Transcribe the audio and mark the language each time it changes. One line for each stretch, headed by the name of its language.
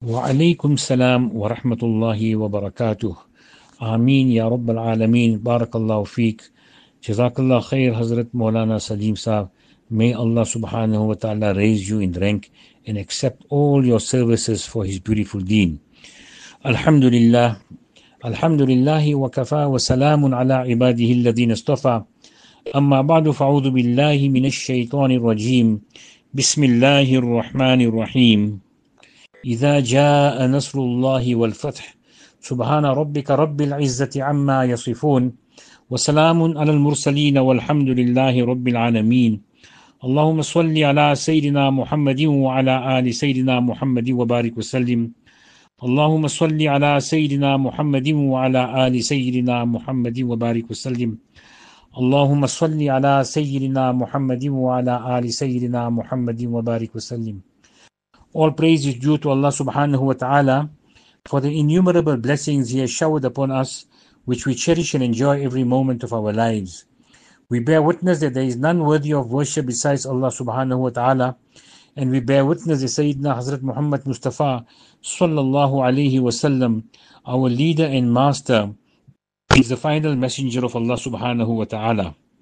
Arabic: وعليكم السلام ورحمة الله وبركاته. آمين يا رب العالمين. بارك الله فيك، جزاك الله خير حضرت مولانا سليم صاحب.
English: May Allah subhanahu wa ta'ala raise you in rank and accept all your services for his beautiful deen.
Arabic: Alhamdulillah. Alhamdulillah wa kafa wa salamun ala ibadihi alladhina istafa. Amma ba'du fa'udhu billahi minash shaytanir rajim. Bismillahir rahmanir rahim. إذا جاء نصر الله والفتح سبحان ربك رب العزة عما يصفون وسلام على المرسلين والحمد لله رب العالمين اللهم صل على سيدنا محمد وعلى آل سيدنا محمد وبارك وسلم اللهم صل على سيدنا محمد وعلى آل سيدنا محمد وبارك وسلم اللهم صل على سيدنا محمد وعلى آل سيدنا محمد وبارك وسلم.
English: All praise is due to Allah subhanahu wa ta'ala for the innumerable blessings He has showered upon us, which we cherish and enjoy every moment of our lives. We bear witness that there is none worthy of worship besides Allah subhanahu wa ta'ala, and we bear witness that Sayyidina Hazrat Muhammad Mustafa sallallahu alayhi wa sallam, our leader and master, is the final messenger of Allah subhanahu wa ta'ala.